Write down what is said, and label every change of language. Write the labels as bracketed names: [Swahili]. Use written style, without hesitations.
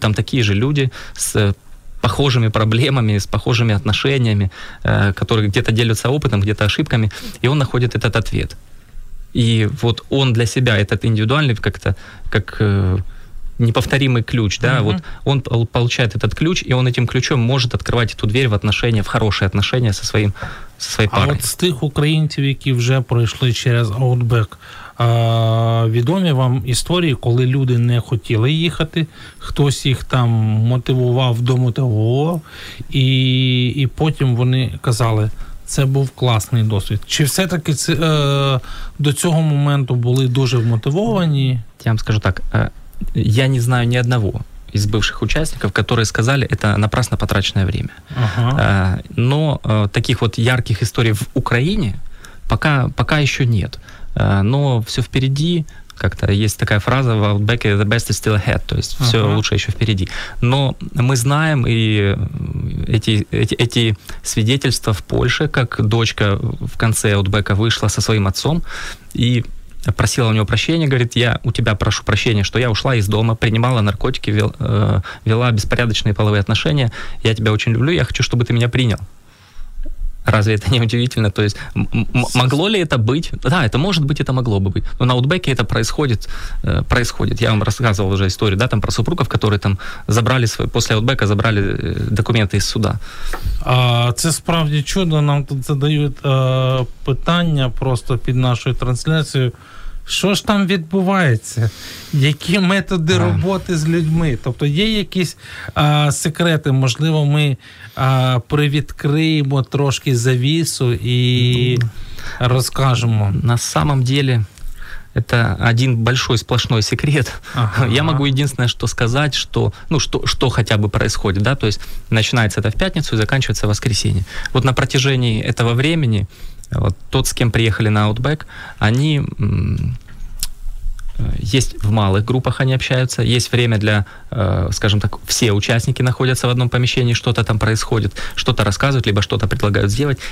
[Russian] Там такие же люди с похожими проблемами, с похожими отношениями, которые где-то делятся опытом, где-то ошибками, и он находит этот ответ. И вот он для себя, этот индивидуальный как-то, как неповторимый ключ, да, вот он получает этот ключ, и он этим ключом может открывать эту дверь в отношения, в хорошие отношения со своей парой. А вот с тех украинцев, которые уже прошли через Outback, [Ukrainian] відомі вам історії, коли люди не хотіли їхати, хтось їх там мотивував до того, і потім вони казали, це був класний досвід. Чи все-таки це, до цього моменту були дуже вмотивовані? Я вам скажу так, я не знаю ні одного із бивших учасників, які сказали, це [Russian] напрасно потрачене [Ukrainian] час. Але таких от ярких історій в Україні поки ще нет. [Russian] Но все впереди, как-то есть такая фраза в Outback, [English] the best is still ahead, [Russian] то есть все лучше еще впереди. Но мы знаем и эти свидетельства в Польше, как дочка в конце Outback вышла со своим отцом и просила у него прощения, говорит, я у тебя прошу прощения, что я ушла из дома, принимала наркотики, вела беспорядочные половые отношения, я тебя очень люблю, я хочу, чтобы ты меня принял. Разве это не удивительно? То есть могло ли это быть? Да, это может быть, это могло бы быть. Но на Outback это происходит. Я вам рассказывал уже историю, да, там про супругов, которые там забрали свой, после Outback забрали документы из суда. [Ukrainian] Це справді чудо. Нам тут задають питання просто під нашою трансляцією. Що ж там відбувається? Які методи роботи з людьми? Тобто є якісь секрети? Можливо, ми привідкриємо трошки завісу і розкажемо. [Russian] На самом деле, это один большой сплошной секрет. Я могу единственное, что сказать, что, ну, что хотя бы происходит, да, то есть начинается это в пятницу и заканчивается в воскресенье. Вот на протяжении этого времени вот тот, с кем приехали на Outback, они есть в малых группах они общаются, есть время для, скажем так, все участники находятся в одном помещении, что-то там происходит, что-то рассказывают, либо что-то предлагают сделать.